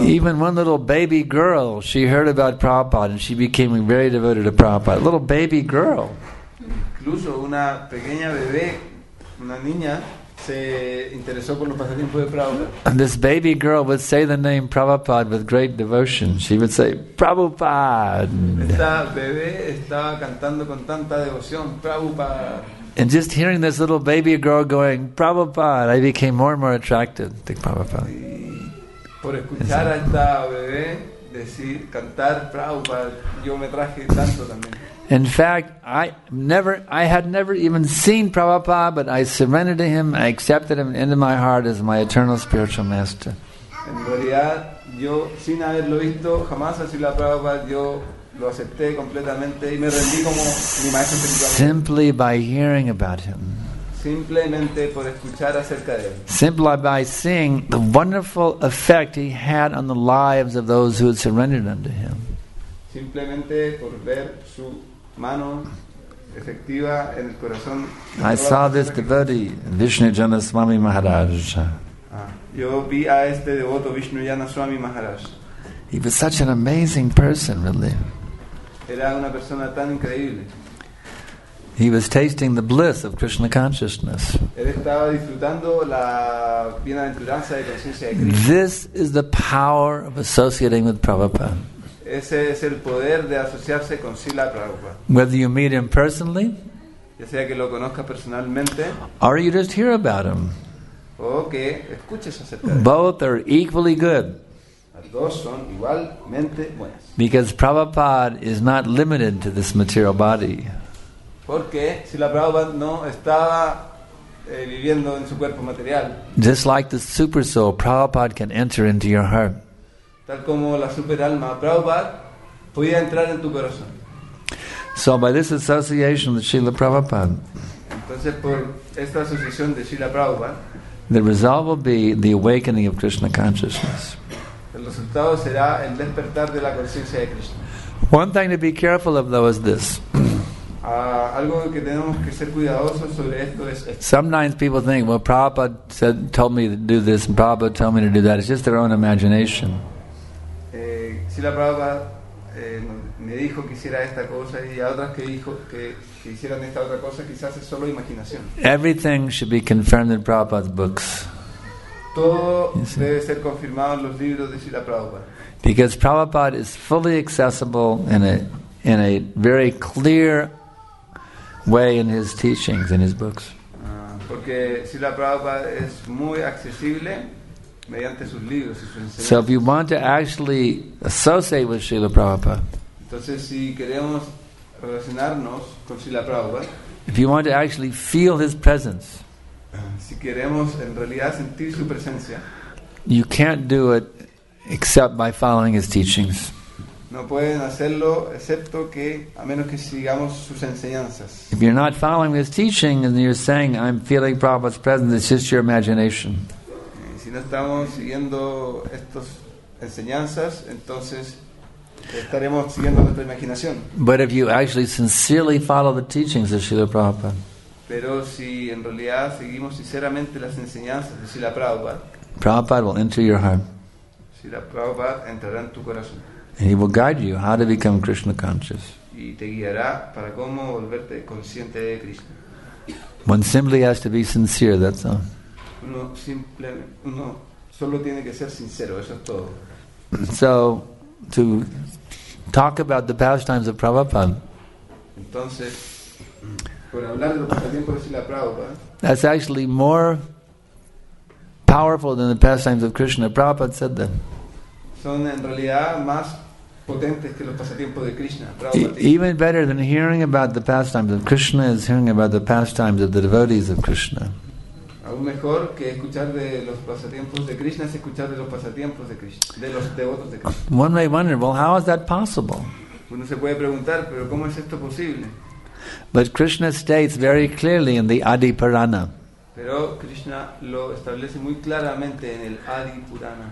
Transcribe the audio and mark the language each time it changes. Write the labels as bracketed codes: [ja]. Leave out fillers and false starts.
[en] even one little baby girl, she heard about Prabhupada and she became very devoted to Prabhupada. A little baby girl. [es] Incluso una pequeña bebé, una niña, se interesó por los pasatiempos de Prabhupada. [en] And this baby girl would say the name Prabhupada with great devotion. She would say, Prabhupada. [es] Esta bebé estaba cantando con tanta devoción, Prabhupada. [en] And just hearing this little baby girl going, Prabhupada, I became more and more attracted to Prabhupada. [es] Y por escuchar a esta bebé decir, cantar Prabhupada, yo me traje tanto también. [en] In fact, I had never even seen Prabhupada, but I surrendered to him, I accepted him into my heart as my eternal spiritual master. [es] En realidad, yo sin haberlo visto jamás así la Prabhupada, yo lo acepté completamente y me rendí como mi maestro espiritual. [en] Simply by hearing about him. [es] Simplemente por escuchar acerca de él. [en] Simply by seeing the wonderful effect he had on the lives of those who had surrendered unto him. [es] Simplemente por ver su mano efectiva en el corazón. [en] I saw this devotee, Vishnujana Swami Maharaj. [es] Yo vi a este devoto Vishnujana Swami Maharaj. [en] He was such an amazing person, really. [es] Era una persona tan increíble. [en] He was tasting the bliss of Krishna consciousness. [es] Él estaba disfrutando la bienaventuranza de conciencia de Krishna. [en] This is the power of associating with Prabhupada. [es] Ese es el poder de asociarse con Srila Prabhupada. [en] Whether you meet him personally, [es] ya sea que lo conozca personalmente, [en] or you just hear about him, [es] o que escuches acerca de [en] él. Both are equally good. [es] Dos son igualmente buenas. [en] Because Prabhupada is not limited to this material body. [es] Porque Srila Prabhupada no estaba viviendo en su cuerpo material. [en] Just like the super soul, Prabhupada can enter into your heart. [es] Tal como la super alma Prabhupada podía entrar en tu corazón. [en] So by this association with Srila Prabhupada, [es] entonces por esta asociación de Srila Prabhupada, [en] the result will be the awakening of Krishna consciousness. [es] El resultado será el despertar de la conciencia de Krishna. [en] One thing to be careful of though is this. [es] Algo que tenemos que ser cuidadosos sobre esto es esto. [en] Sometimes people think, well, Prabhupada said, told me to do this and Prabhupada told me to do that. It's just their own imagination. [es] Srila Prabhupada me dijo que hiciera esta cosa y a otras que dijo que hicieran esta otra cosa, quizás es solo imaginación. [en] Everything should be confirmed in Prabhupada's books. [es] Todo debe ser confirmado en los libros de Srila Prabhupada. [en] Because Prabhupada is fully accessible in a very clear way in his teachings, in his books. [es] Porque Srila Prabhupada es muy accesible mediante sus libros y sus enseñanzas. [en] So if you want to actually associate with Srila Prabhupada, [es] entonces si queremos relacionarnos con Srila Prabhupada, [en] if you want to actually feel his presence, [es] si queremos en realidad sentir su presencia, [en] you can't do it except by following his teachings. [es] No pueden hacerlo excepto que a menos que sigamos sus enseñanzas. [en] If you're not following his teaching and you're saying I'm feeling Prabhupada's presence, it's just your imagination. [es] Si no estamos siguiendo estas enseñanzas, entonces estaremos siguiendo nuestra imaginación. [en] But if you actually sincerely follow the teachings of Srila Prabhupada, [es] pero si en realidad seguimos sinceramente las enseñanzas de Srila Prabhupada, [en] Prabhupada will enter your heart. [es] Srila Prabhupada entrará en tu corazón. [en] And he will guide you how to become Krishna conscious. [es] Y te guiará para cómo volverte consciente de Krishna. [en] One simply has to be sincere, that's all. [es] Uno solo tiene que ser sincero, eso es todo. [en] So, to talk about the pastimes of Prabhupada, [es] entonces, por hablar de los pasatiempos de Srila Prabhupada, [en] that's actually more powerful than the pastimes of Krishna. Prabhupada said that. [es] Son en realidad más potentes que los pasatiempos de Krishna. [en] Even better than hearing about the pastimes of Krishna is hearing about the pastimes of the devotees of Krishna. [es] Aún mejor que escuchar de los pasatiempos de Krishna es escuchar de los pasatiempos de Krishna, de los devotos de Krishna. [en] One may wonder, well, how is that possible? [es] Uno se puede preguntar, pero ¿cómo es esto posible? [en] But Krishna states very clearly in the Adi Purana. [es] Pero Krishna lo establece muy claramente en el Adi Purana.